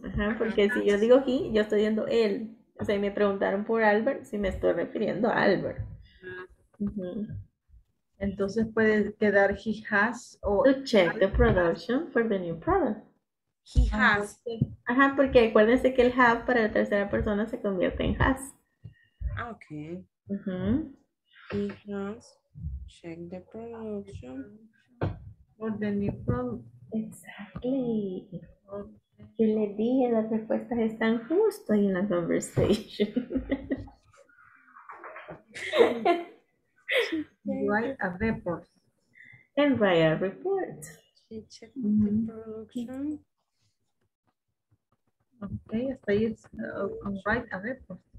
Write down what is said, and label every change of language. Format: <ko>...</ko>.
<es>Ajá, porque si yo digo he, yo estoy viendo él. O sea, me preguntaron por Albert, si me estoy refiriendo a Albert. Uh-huh. Entonces puede quedar</es> <en>he has</en> <es>o...</es> <en>To check the production for the new product. He has.</en> <es>Ajá, porque acuérdense que el have para la tercera persona se convierte en has. Ok. Uh-huh.</es> <en>He has check the production for the new product. Exactly.</en> <es>Yo le dije, las respuestas están justo ahí en la conversation.</es> <en>Write a report. And write a report. Okay, so it's write a report.</en>